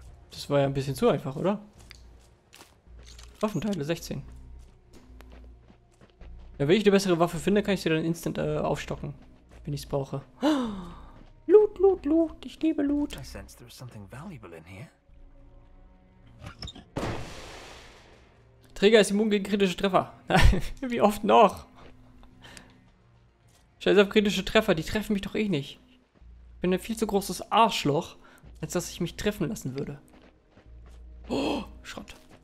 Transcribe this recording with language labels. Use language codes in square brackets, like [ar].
[de] Das war ja ein bisschen zu einfach, oder? Waffenteile 16. Ja, wenn ich eine bessere Waffe finde, kann ich sie dann instant aufstocken, wenn ich es brauche. Oh, Loot, Loot, Loot. Ich liebe Loot. [en] I sense there's something valuable in here. [de] Träger ist immun gegen kritische Treffer. Wie oft noch? Scheiß auf kritische Treffer, die treffen mich doch eh nicht. Ich bin ein viel zu großes Arschloch, als dass ich mich treffen lassen würde. Oh, Schrott.